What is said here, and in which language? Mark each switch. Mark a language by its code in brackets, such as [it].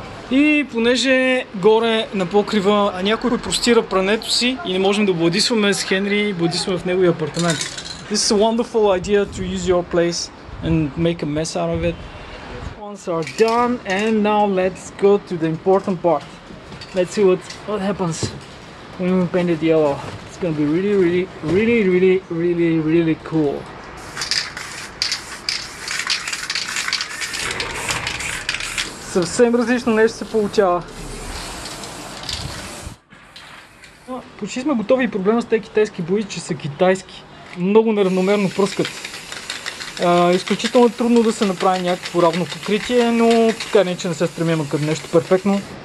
[bg] И понеже горе на покрива някой простира прането си и не можем да бладисваме с Хенри, бладисваме в неговия апартамент. [en] This is a wonderful idea to use your place and make a mess out of it. Ones are done and now let's go to the important part. Let's see what happens when we paint it yellow. It's gonna be really, really, really, really, really, really cool. [bg] Съвсем различно нещо се получава. Почти сме готови и проблема с тези китайски бои, че са китайски. Много неравномерно пръскат. Изключително трудно да се направи някакво равно покритие, но така не че не се стремим към нещо перфектно.